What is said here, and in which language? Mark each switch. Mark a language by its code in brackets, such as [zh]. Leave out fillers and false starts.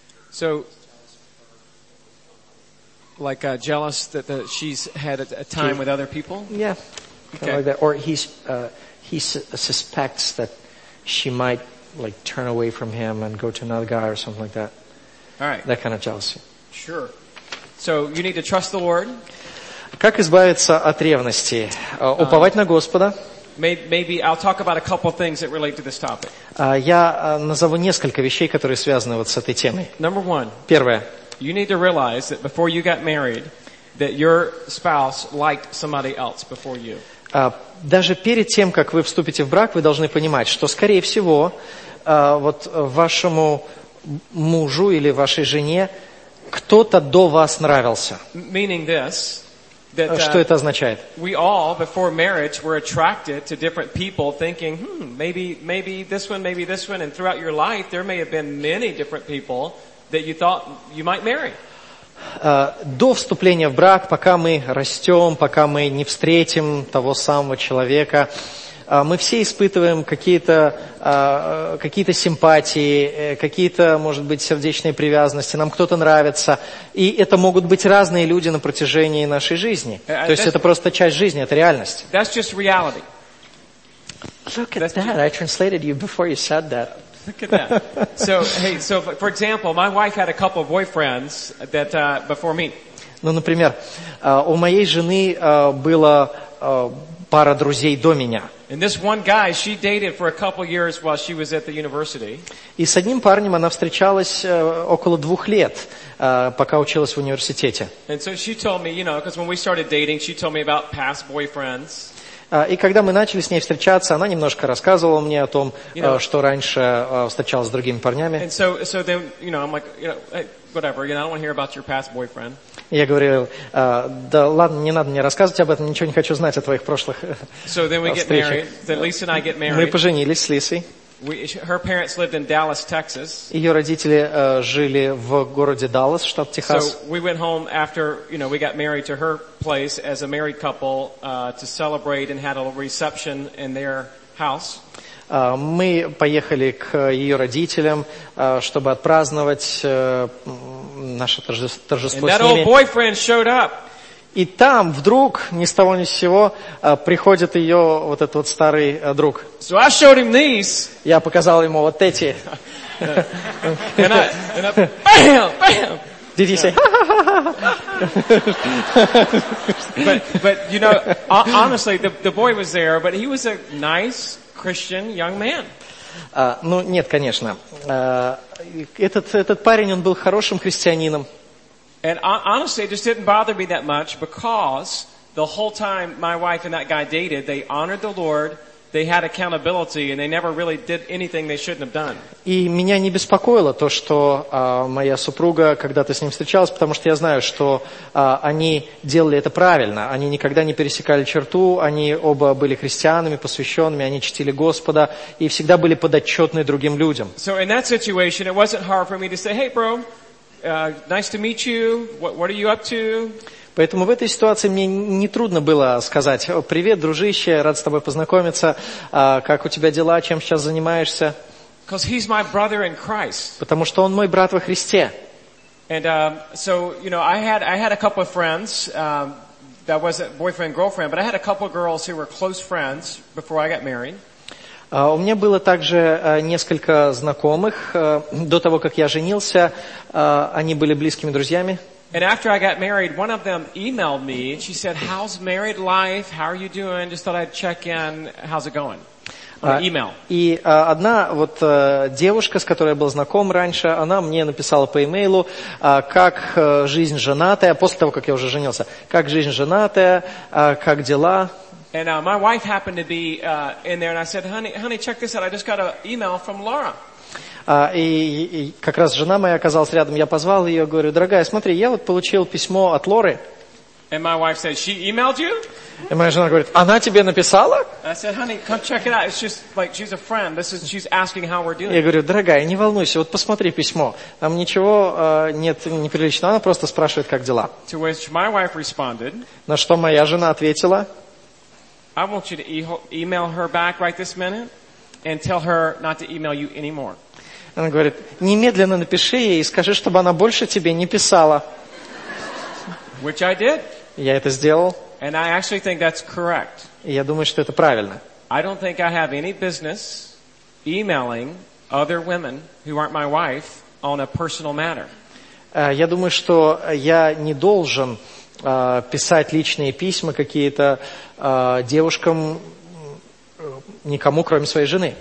[en] So, like jealous that she's had a time with other people? Yeah, okay. Kind of like that. Or he suspects that she might like turn away from him and go to another guy or something like that. All right. That kind of jealousy. Sure. So you need to trust the Lord. [ru] Как избавиться от ревности? Уповать на Господа. [en] Maybe I'll talk about a couple things that relate to this topic. [ru] Я назову несколько вещей, которые связаны вот с этой темой. [en] Number one. [ru] Первое. [en] You need to realize that before you got married, that your spouse liked somebody else before you. [ru] Даже перед тем, как вы вступите в брак, вы должны понимать, что, скорее всего, вот вашему мужу или вашей жене кто-то до вас нравился. [en] Meaning this. [ru] Что это означает? [en] We all, before marriage, were attracted to different people, thinking, maybe this one, maybe this one, and throughout your life there may have been many different people that you thought you might marry. [ru] До вступления в брак, пока мы растем, пока мы не встретим того самого человека, мы все испытываем какие-то симпатии, какие-то, может быть, сердечные привязанности, нам кто-то нравится. И это могут быть разные люди на протяжении нашей жизни. То есть это просто часть жизни, это реальность. [en] That's just reality. Look at that. I translated you before you said that. Look at that. So, hey, so for example, my wife had a couple of boyfriends that before me. [ru] Ну, например, у моей жены было пара друзей до меня. [en] And this one guy, she dated for a couple years while she was at the university. [ru] И с одним парнем она встречалась около двух лет, пока училась в университете. [en] And so she told me, you know, because when we started dating, she told me about past boyfriends. [ru] И когда мы начали с ней встречаться, она немножко рассказывала мне о том, что раньше встречалась с другими парнями. [en] And so then, you know, I'm like, you know, hey, whatever, you know, I don't want to hear about your past boyfriend. [ru] Я говорил, да ладно, не надо мне рассказывать об этом, ничего не хочу знать о твоих прошлых встречах. Мы поженились с Лисой. Ее родители жили в городе Даллас, штат Техас. Мы поехали к ее родителям, чтобы отпраздновать наше торжество с ними. [en] That old boyfriend showed up. [ru] И там вдруг, ни с того ни с сего, приходит ее вот этот вот старый друг. [en] So I showed him these. [ru] Я показал ему вот эти. [en] And I bam, bam. Did he say? but you know, honestly, the boy was there, but he was a nice Christian young man. [ru] Ну, нет, конечно. Этот парень, он был хорошим христианином. [en] And honestly, it just didn't bother me that much, because the whole time my wife and that guy dated, they honored the Lord, they had accountability, and they never really did anything they shouldn't have done. [ru] И меня не беспокоило то, что моя супруга когда-то с ним встречалась, потому что я знаю, что они делали это правильно. Они никогда не пересекали черту, они оба были христианами, посвященными, они чтили Господа и всегда были подотчетны другим людям. [en] So in that situation, it wasn't hard for me to say, hey, bro, nice to meet you, what are you up to? [ru] Поэтому в этой ситуации мне не трудно было сказать: привет, дружище, рад с тобой познакомиться, как у тебя дела, чем сейчас занимаешься? [en] Because he's my brother in Christ. [ru] Потому что он мой брат во Христе. [en] And so, you know, I had a couple of friends that wasn't boyfriend girlfriend, but I had a couple of girls who were close friends before I got married. [ru] У меня было также несколько знакомых до того, как я женился. Они были близкими друзьями. [en] And after I got married, one of them emailed me and she said, "How's married life? How are you doing? Just thought I'd check in. How's it going?" Email. [ru] И одна вот девушка, с которой я был знаком раньше, она мне написала по имейлу, как жизнь женатая, после того, как я уже женился, как жизнь женатая, как дела. [en] And my wife happened to be in there, and I said, honey, check this out, I just got an email from Laura. [ru] И как раз жена моя оказалась рядом, я позвал ее, говорю, дорогая, смотри, я вот получил письмо от Лоры. [en] And my wife said, she emailed you? [ru] И моя жена говорит, она тебе написала? [en] I said, honey, come check it out. It's just like she's a friend. This is she's asking how we're doing. [ru] Я говорю, дорогая, не волнуйся, вот посмотри письмо. Там ничего нет неприличного, она просто спрашивает, как дела. [en] To which my wife responded. [ru] На что моя жена ответила? [en] I want you to email her back right this minute and tell her not to email you anymore. [ru] Она говорит, немедленно напиши ей и скажи, чтобы она больше тебе не писала. [en] Which I did. [ru] Я это сделал. [en] And I actually think that's correct. [ru] Я думаю, что это правильно. [en] I don't think I have any business emailing other women who aren't my wife on a personal matter. [ru] Я думаю, что я не должен писать личные письма какие-то девушкам никому, кроме своей жены.